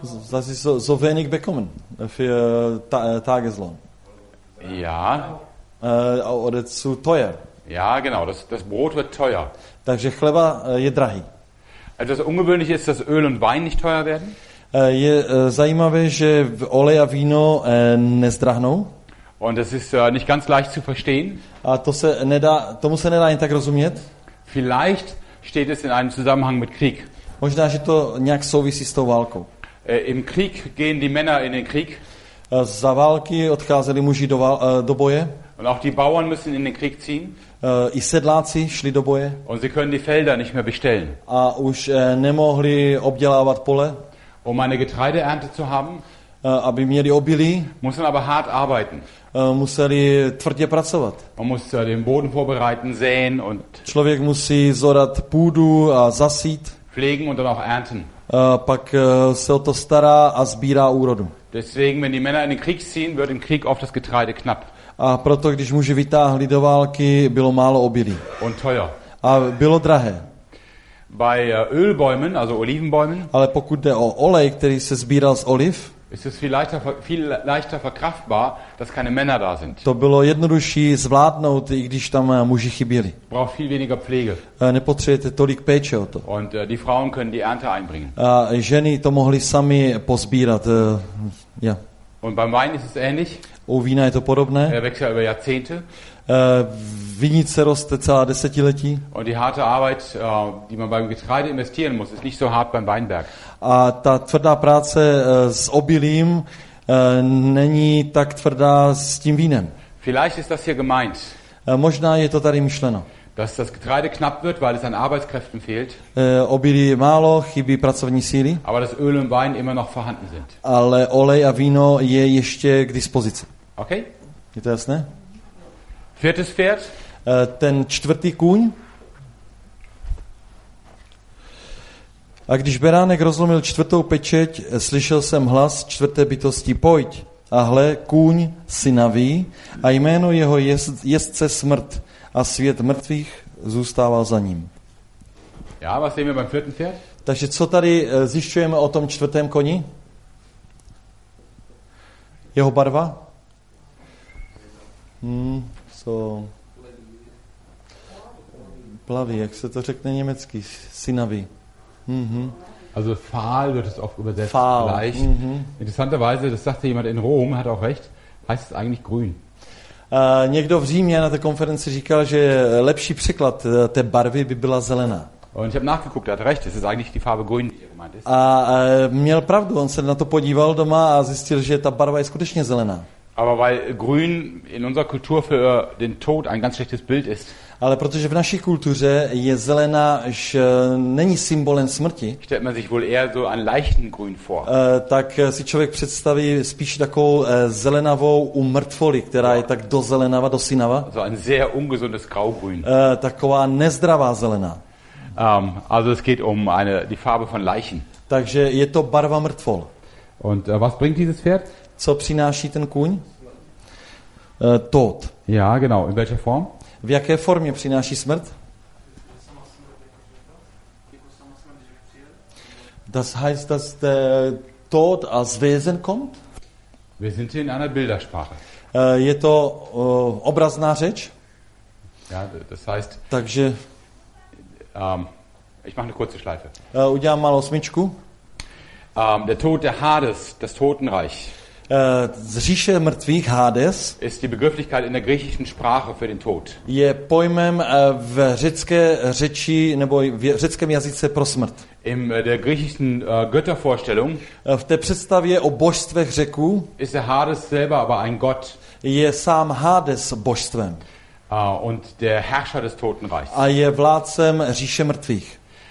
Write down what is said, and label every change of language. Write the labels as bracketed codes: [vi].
[de] Das ist so, so wenig bekommen für Tageslohn. Ja. Oder zu teuer. Ja, genau. Das Brot wird teuer. [cs] Takže chleba je drahý. [de] Also das Ungewöhnliche ist, dass Öl und Wein nicht teuer werden. [cs] Je zajímavé, že olej a víno nezdrahnou. [de] Und das ist nicht ganz leicht zu verstehen. [cs] A to se nedá, tomu se nedá jen tak rozumět. [de] Vielleicht steht es in einem Zusammenhang mit Krieg. [cs] Možná, že to nějak souvisí s tou válkou. [de] Im Krieg gehen die Männer in den Krieg. [cs] Za války odcházeli muži do boje. [de] Und auch die Bauern müssen in den Krieg ziehen. [cs] I sedláci šli do boje. [de] Und sie können die Felder nicht mehr bestellen. [cs] A už nemohli obdělávat pole. [de] Um eine Getreideernte zu haben. [cs] Aby měli obilí. [de] Mussten aber hart arbeiten. [cs] Museli tvrdě pracovat. [de] Man muss den Boden vorbereiten, säen und. [cs] Člověk musí zorat půdu a zasít. [de] Pflegen und dann auch ernten. [cs] Pak se o to stará a sbírá úrodu. [de] Deswegen, wenn die Männer in den Krieg ziehen, wird im Krieg oft das Getreide knapp. [cs] A proto, když muži vytáhli do války, bylo málo obilí. [de] Und teuer. [cs] A bylo drahé. [de] Bei Ölbäumen, also Olivenbäumen. [cs] Ale pokud jde o olej, který se sbíral z oliv. [de] Ist es viel leichter verkraftbar, dass keine Männer da sind. [cs] To bylo jednodušší zvládnout, i když tam muži chyběli. [de] Braucht viel weniger Pflege. [cs] Nepotřebujete tolik péče o to. [de] Und die Frauen können die Ernte einbringen. [cs] Ženy to mohly sami posbírat. Ja. [de] Und beim Wein ist es ähnlich. [cs] U vína je to podobné. [de] Er wächst ja über Jahrzehnte. [cs] Vinice roste celá desetiletí. [de] Und die harte Arbeit, die man beim Getreide investieren muss, ist nicht so hart beim Weinberg. [cs] A ta tvrdá práce s obilím není tak tvrdá s tím vínem. [de] Vielleicht ist das hier gemeint. [cs] Možná je to tady myšleno. [de] Dass das Getreide knapp wird, weil es an Arbeitskräften fehlt. [cs] Obilí je málo, chybí pracovní síly. [de] Aber das Öl und Wein immer noch vorhanden sind. [cs] Ale olej a víno je ještě k dispozici. Okay. Je to jasné? [de] Viertes Pferd. [cs] Ten čtvrtý kůň. A když beránek rozlomil čtvrtou pečeť, slyšel jsem hlas čtvrté bytosti, pojď. A hle, kůň synavý a jméno jeho jezdce smrt a svět mrtvých zůstával za ním. [de] Ja, was sehen wir beim vierten Pferd? [cs] Takže co tady zjišťujeme o tom čtvrtém koni? Jeho barva? So. Plavý, jak se to řekne německy? Synavý. Mm-hmm. [de] Also fahl wird es oft übersetzt. Fahl. Mm-hmm. Interessanterweise, das sagte jemand in Rom, hat auch recht, heißt es eigentlich grün. [cs] Někdo v Římě na té konferenci říkal, že lepší překlad té barvy by byla zelená. [de] Und ich habe nachgeguckt, hat recht, es ist eigentlich die Farbe grün, die hier gemeint ist. [cs] A měl pravdu, on se na to podíval doma a zjistil, že ta barva je skutečně zelená. [de] Aber weil grün in unserer Kultur für den Tod ein ganz schlechtes Bild ist. [cs] Ale protože v naší kultuře je zelená, že není symbolem smrti. [de] Stellt man sich wohl eher so einen leichten grün vor. [cs] Tak si člověk představí spíš takovou zelenavou u mrtvoly, která je tak dozelenava, dosinava. [de] So ein sehr ungesundes graugrün. [cs] Taková nezdravá zelená. [de] Also es geht um eine die Farbe von Leichen. [cs] Takže je to barva mrtvol. [de] Und was bringt dieses Pferd? [cs] Co přináší ten kůň? Tod. [de] Ja, genau. In welcher Form? [cs] V jaké formě přináší smrt? [de] Das heißt, dass der Tod als Wesen kommt? Wir sind hier in einer Bildersprache. [cs] Je to obrazná řeč? [de] Ja, das heißt. [cs] Takže [de] ich mache eine kurze Schleife. [cs] Udělám malou smyčku. [de] Der Tod der Hades, das Totenreich. [cs] Z říše mrtvých Hades [de] ist die Begrifflichkeit in der griechischen Sprache für den Tod. [cs] Je pojmem v řecké řeči nebo v řeckém jazyce pro smrt. [de] In der griechischen Göttervorstellung [cs] v té představě o božstvech Řeků [de] ist der Hades selber aber ein Gott. [cs] Je sám Hades božstvem. [de] Und der Herrscher des Totenreichs. [cs] A je vládcem říše mrtvých.